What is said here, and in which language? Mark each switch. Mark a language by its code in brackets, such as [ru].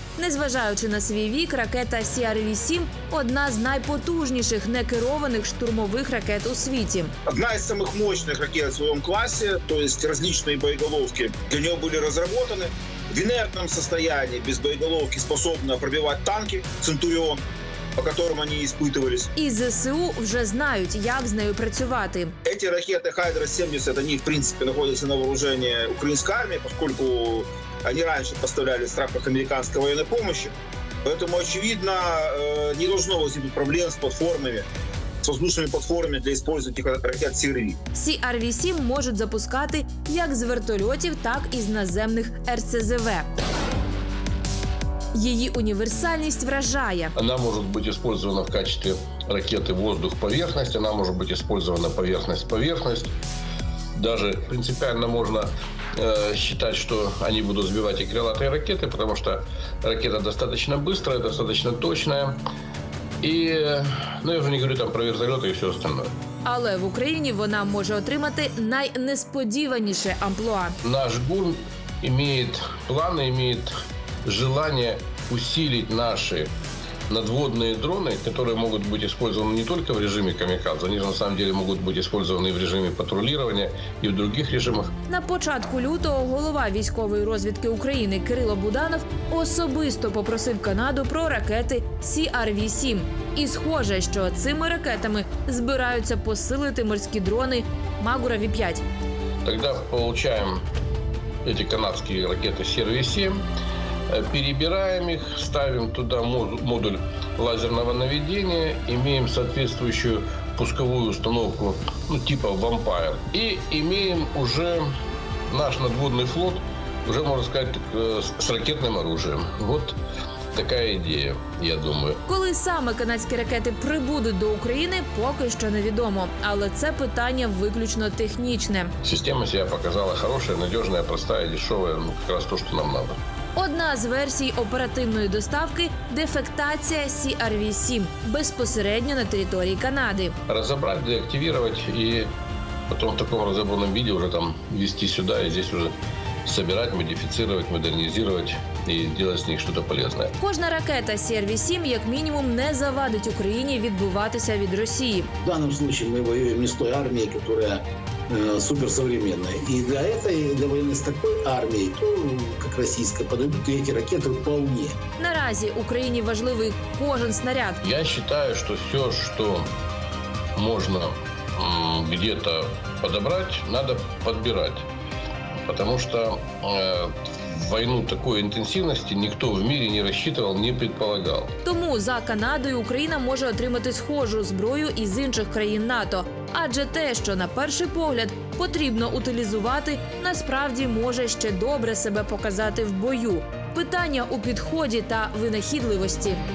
[uk] Незважаючи на свій вік, ракета CRV-7 – одна з найпотужніших некерованих штурмових ракет у світі. Одна з наймощніших ракет у своєму класі, тобто різні боєголовки, для нього були розроблені. В інертному стані, без боєголовки, способна пробивати танки «Центуріон», [ru] по которым они испытывались. И ЗСУ уже знают, как с нею працювати. Эти ракеты Хайдра-70, они, в принципе, находятся на вооружении украинской армии, поскольку они раньше поставлялись в рамках американской военной помощи. Поэтому, очевидно, не должно возникнуть проблем с платформами, с воздушными платформами для использования ракет CRV. [uk] CRV-7 можуть запускати як з вертольотів, так і з наземних РСЗВ. Її універсальність вражає. Вона може бути використана в качестві ракети воздух-поверхність, вона може бути використана поверхність-поверхність. [ru] Даже принципиально можна считать, что они будут сбивать и крылатые ракеты, потому что ракета достаточно быстрая, достаточно точная. И, ну, я уже не говорю там про вертолеты и все остальное. [uk] Але в Украине вона може отримати найнесподіваніше амплуа. [ru] Наш ГУР имеет планы, имеет желание усилить наши надводные дроны, которые могут быть использованы не только в режиме камікадзе, они же на самом деле могут быть использованы в режиме патрулирования и в других режимах. [uk] На початку лютого голова військової розвідки України Кирило Буданов особисто попросив Канаду про ракети CRV-7. І схоже, що цими ракетами збираються посилити морські дрони Магура-V5. Тоді отримуємо ці канадські ракети CRV-7. [ru] Перебираем их, ставим туда модуль лазерного наведения, имеем соответствующую пусковую установку, ну, типа Vampire, и имеем уже наш надводный флот, уже, можно сказать, с ракетным оружием. Вот такая идея, я думаю. [uk] Коли саме канадські ракети прибудуть до України, поки що невідомо. Але це питання виключно технічне. [ru] Система себе показала хорошая, надежная, простая, дешевая, ну, как раз то, что нам надо. [uk] Одна з версій оперативної доставки – дефектація CRV-7 безпосередньо на території Канади. Розібрати, деактивувати і потім в такому розібраному виді вже там везти сюди і тут вже збирати, модифіцировать, модернізувати і робити з них щось полезне. Кожна ракета CRV-7 як мінімум не завадить Україні відбиватися від Росії. В даному випадку ми воюємо з тою армією, яка суперсовременная. [ru] И для этой, для войны с такой армией, то, как российская, подойдут эти ракеты вполне. [uk] Наразі Украине важливый кожен снаряд. [ru] Я считаю, что все, что можно где-то подобрать, надо подбирать. Потому что войну такой интенсивности никто в мире не рассчитывал, не предполагал. [uk] Тому за Канадою Україна може отримати схожу зброю із інших країн НАТО. Адже те, що на перший погляд потрібно утилізувати, насправді може ще добре себе показати в бою. Питання у підході та винахідливості.